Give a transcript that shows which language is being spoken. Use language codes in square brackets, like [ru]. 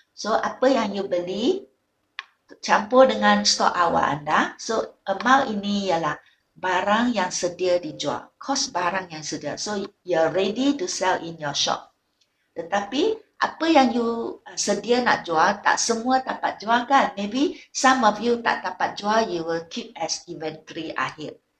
[ms] So apa yang you beli, campur dengan stok awal anda. So amount ini ialah barang yang sedia dijual. Kos barang yang sedia. [en] So you're ready to sell in your shop. [ms] Tetapi apa yang you sedia nak jual, tak semua dapat jual kan. [en] Maybe some of you [ms] tak dapat jual, [en] you will keep as inventory akhir.